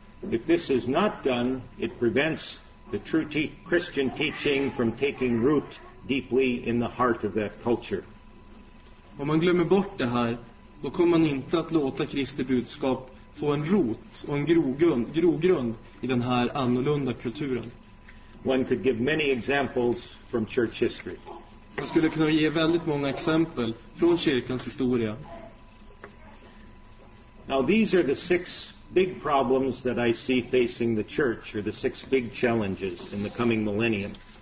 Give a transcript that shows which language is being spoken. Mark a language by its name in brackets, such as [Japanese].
[English] If this is not done, it prevents the true Christian teaching from taking root deeply in the heart of that culture. [Swedish] Om man glömmer bort det här, då kommer man inte att låta Kristi budskap få en rot och en grogrund i den här annorlunda kulturen. [English] One could give many examples from church history. [Swedish] Man skulle kunna ge väldigt många exempel från kyrkans historia. [English] Now these are the six big problems that I see facing the church, or the six big challenges in the coming millennium.